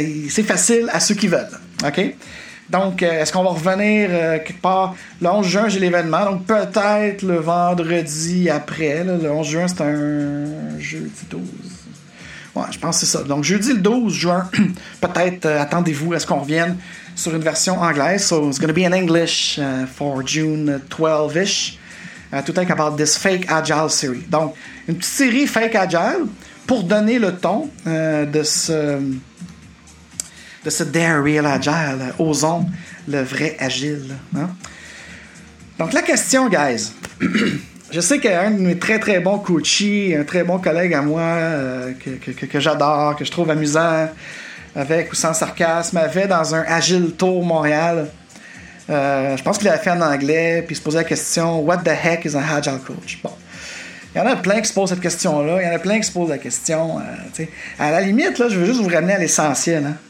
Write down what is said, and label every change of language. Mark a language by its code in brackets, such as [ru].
[fr] C'est facile à ceux qui veulent. OK? Donc, est-ce qu'on va revenir quelque part? Le 11 juin, j'ai l'événement. Donc, peut-être le vendredi après. Là, le 11 juin, c'est un jeudi 12. Ouais, je pense que c'est ça. Donc, jeudi le 12 juin, peut-être attendez-vous à ce qu'on revienne sur une version anglaise. [en] So, it's going to be in English for June 12-ish. [fr] Tout est [en] about this fake agile series. [fr] Donc, une petite série fake agile pour donner le ton de ce Dare Real Agile. Osons le vrai agile. Hein? Donc, la question, guys. Je sais qu'un de mes très, très bons coachs, un très bon collègue à moi, que j'adore, que je trouve amusant, avec ou sans sarcasme, avait dans un Agile Tour Montréal, je pense qu'il l'avait fait en anglais, puis il se posait la question « [en] What the heck is an Agile coach? [fr] » Bon, il y en a plein qui se posent cette question-là, il y en a plein qui se posent la question, à la limite, là, je veux juste vous ramener à l'essentiel. Hein.